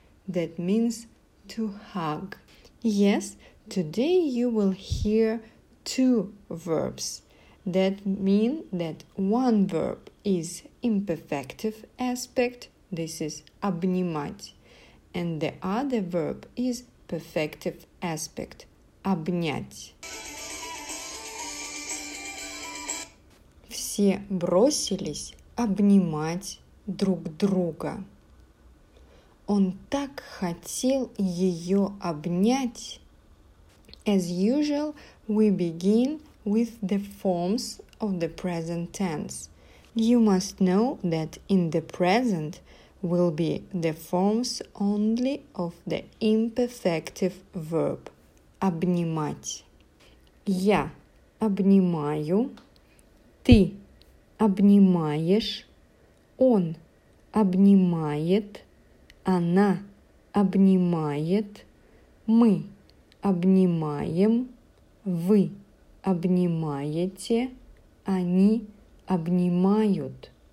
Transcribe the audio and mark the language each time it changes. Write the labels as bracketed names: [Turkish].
[English] That means to hug. Yes, today you will hear two verbs. That mean that one verb is imperfective aspect, this is обнимать, and the other verb is perfective aspect, обнять. [Russian] Все бросились обнимать друг друга. Он так хотел ее обнять. [English] As usual, we begin with the forms of the present tense. You must know that in the present will be the forms only of the imperfective verb обнимать. [Russian] Я обнимаю, ты обнимаешь, он обнимает, она обнимает, мы обнимаем, вы обнимаете, они обнимают.